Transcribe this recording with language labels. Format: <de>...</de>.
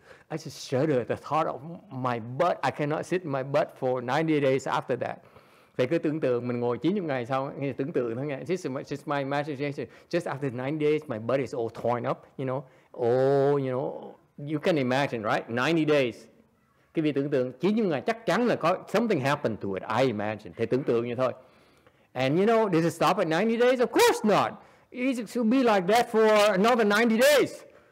<en>I just shudder the thought of my butt. I cannot sit my butt for 90 days after that.</en> <vi>Thầy cứ tưởng tượng mình ngồi 90 ngày sau, tưởng tượng thôi nghe.</vi> <en>Just my imagination. Just after 90 days, my butt is all torn up, you know. Oh, you know, you can imagine, right? 90 days.</en> <vi>Cái việc tưởng tượng 90 ngày chắc chắn là có</vi> <en>something happened to it. I imagine.</en> <vi>Thầy tưởng tượng như thôi.</vi> <en>And you know, does it stop at 90 days? Of course not. It should be like that for another 90 days.</en>